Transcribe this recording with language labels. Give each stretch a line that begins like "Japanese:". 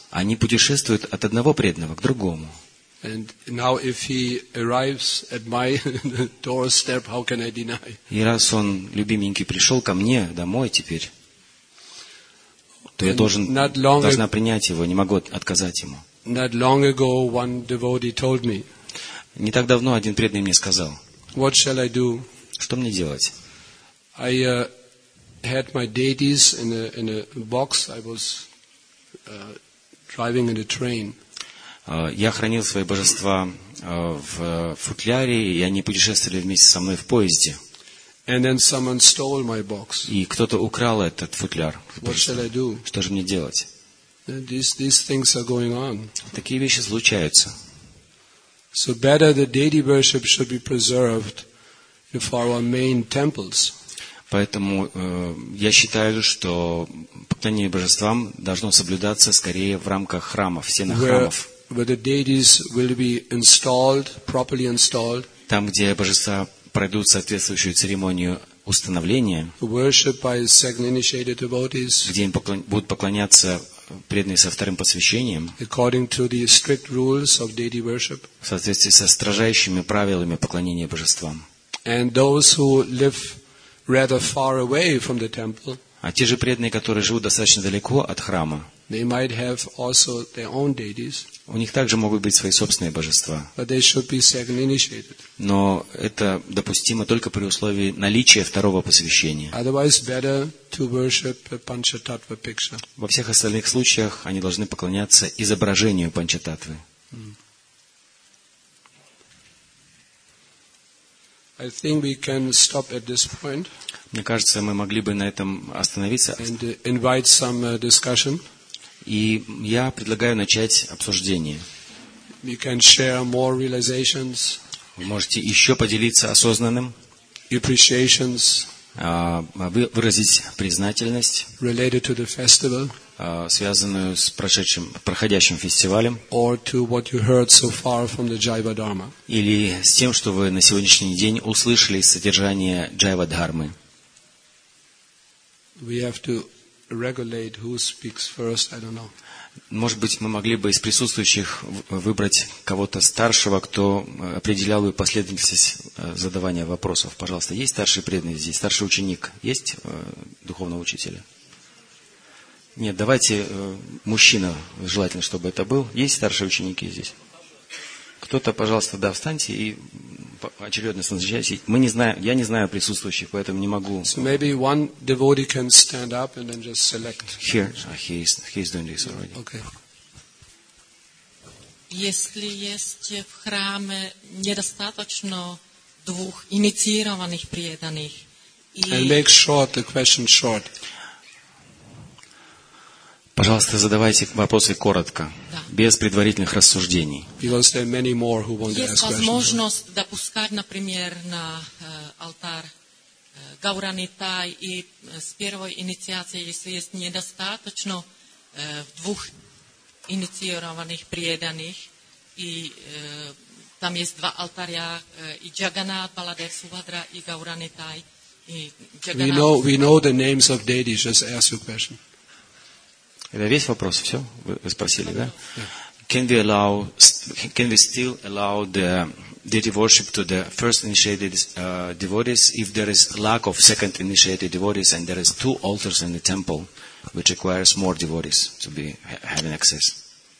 Russian: Они путешествуют от одного преданного к другому.
English: And now if he arrives at my doorstep, how can I deny?
Russian: И раз он, любименький, пришел ко мне домой теперь, то я должна принять его, не могу отказать ему.
English: Not long ago, one devotee told me.
Russian: Не так давно один преданный мне сказал.
English: What shall I do?
Russian: Что мне делать?
English: I had my deities in a box. I was driving in a train.
Russian: Я хранил свои божества в футляре, и они путешествовали вместе со мной в поезде.
English: And then someone stole my box.
Russian: И кто-то украл этот футляр.
English: What shall I do?
Russian: Что же мне делать?
English: These things are going on.
Russian: Такие вещи случаются.
English: So better the deity worship should be preserved for our main temples.
Russian: Поэтому я считаю, что поклонение божествам должно соблюдаться скорее в рамках храмов, стенах храмов.
English: Where the deities will be installed, properly installed.
Russian: Там, где божества пройдут соответствующую церемонию установления.
English: Worship by second initiated devotees.
Russian: Где им будут поклоняться преданные со вторым посвящением.
English: According to the strict rules of deity worship.
Russian: В соответствии со строжайшими правилами поклонения божествам.
English: And those who live rather far away from the temple.
Russian: А те же преданные, которые живут достаточно далеко от храма.
English: They might have also their own deities.
Russian: У них также могут быть свои собственные божества.
English: But they should be second initiated.
Russian: Но это допустимо только при условии наличия второго посвящения.
English: Otherwise, better to worship a panchatattva picture.
Russian: Во всех остальных случаях они должны поклоняться изображению панчататвы.
English: I think we can stop at this point.
Russian: Мне кажется, мы могли бы на этом остановиться.
English: And invite some discussion.
Russian: И я предлагаю начать обсуждение.
English: We can share more realizations.
Russian: Вы можете еще поделиться осознанным.
English: Appreciations.
Russian: Выразить признательность.
English: Related to the festival.
Russian: Связанную с проходящим фестивалем.
English: Or to what you heard so far from the Jiva Dharma.
Russian: Или с тем, что вы на сегодняшний день услышали из содержания Jiva Dharma.
English: We have to regulate who speaks first. I don't know.
Russian: Может быть, мы могли бы из присутствующих выбрать кого-то старшего, кто определял бы последовательность задавания вопросов. Пожалуйста, есть старший преданный здесь? Старший ученик есть духовного учителя? Нет, давайте мужчина, желательно, чтобы это был. Есть старшие ученики здесь? Кто-то, пожалуйста, да, встаньте и очередность назначается. Мы не знаем, я не знаю присутствующих, поэтому не могу.
English: So maybe one devotee can stand up and then just select. Here, he's doing this already. Okay.
Russian: Если есть в храме недостаточно двух инициированных преданных, и...
English: And make short the question short.
Russian: Пожалуйста, задавайте вопросы коротко, без предварительных рассуждений.
English: Because there are many more who want to ask questions.
Russian: Есть возможность допускать, например, на алтарь Гаурани Тай и с первой инициацией, если есть недостаточно двух инициированных преданных, и там есть два алтаря, и Джаганат, Баладев Субхадра, и Гаурани Тай, и Джаганат.
English: We know the names of deities, just ask your question.
Russian: Это весь вопрос, все? Вы спросили, да?
English: Can we still allow the deity worship to the first initiated devotees if there is lack of second initiated devotees and there is two altars in the temple which requires more devotees to be having access?